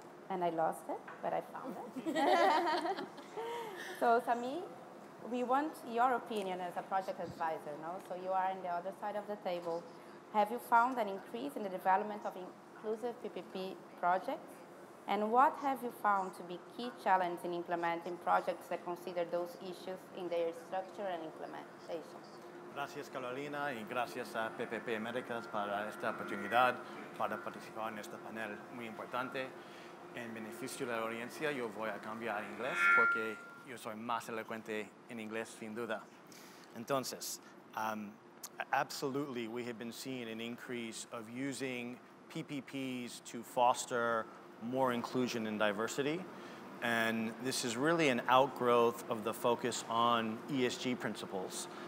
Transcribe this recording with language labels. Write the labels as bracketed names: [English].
[English] And I lost it, but I found it. So, Sami, we want your opinion as a project advisor, no? So you are on the other side of the table. Have you found an increase in the development of inclusive PPP projects? And what have you found to be key challenges in implementing projects that consider those issues in their structure and implementation? [Spanish] Gracias, Carolina, y gracias a PPP Americas para esta oportunidad para participar en este panel muy importante. En beneficio de la audiencia, yo voy a cambiar a inglés porque yo soy más elocuente en inglés, sin duda. [English] Entonces, absolutely, we have been seeing an increase of using PPPs to foster more inclusion and diversity. And this is really an outgrowth of the focus on ESG principles.